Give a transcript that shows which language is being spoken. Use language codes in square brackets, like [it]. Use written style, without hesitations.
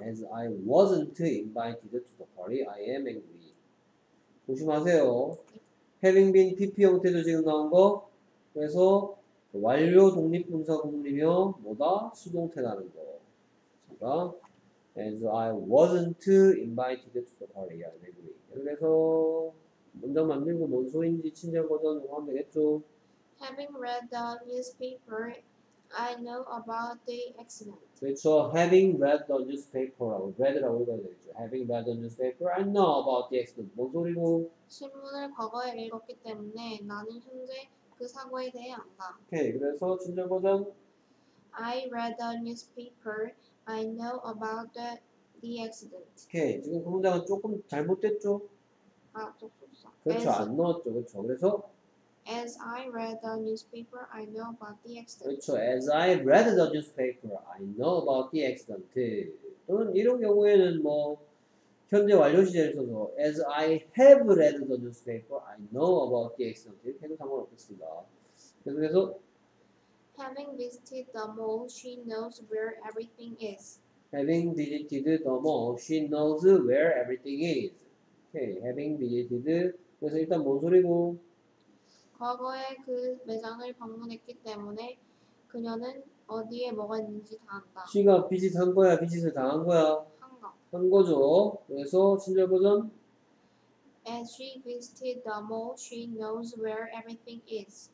[en] As I wasn't invited to the party, I am angry. [ko] 조심하세요. Having been PP 형태도 지금 나온 거. 그래서 완료 독립분사구문이며 뭐다? 수동태라는 거. 맞습니다. [en] As I wasn't invited to the party, I am angry. [ko] 그래서 문장 만들고 뭔 소인지 친절 버전 하면 되겠죠. [en] Having read the newspaper, I know about the accident. [ko] 그렇죠. [en] Having read the newspaper, [ko] read라고 읽어야 되겠죠. [en] Having read the newspaper, I know about the accident. [ko] 뭔 소리고? 신문을 과거에 읽었기 때문에 나는 현재 그 사고에 대해 안다. 오케이. 그래서 친절 버전. [en] I read the newspaper. I know about the accident. [ko] 오케이. 지금 그 문장은 조금 잘못됐죠? 아, 그렇죠. As, 안 넣었죠. 그렇죠. 그래서 [en] As I read the newspaper, I know about the accident. [ko] 그렇죠. [en] As I read the newspaper, I know about the accident. [ko] 또는 이런 경우에는 뭐 현재 완료 시제를 써서 [en] As I have read the newspaper, I know about the accident. [ko] 이렇게 해도 상관없겠습니다. 계속해서 [en] Having visited the mall, she knows where everything is. Having visited the mall, she knows where everything is. Okay, having visited. [ko] 그래서 일단 뭔 소리고? 과거에 그 매장을 방문했기 때문에 그녀는 어디에 뭐가 있는지 다 안다. 시가 비짓한 거야, 비짓을 당한 거야. 한 거. 한 거죠. 그래서 친절 버전. [en] As she visited the mall, she knows where everything is.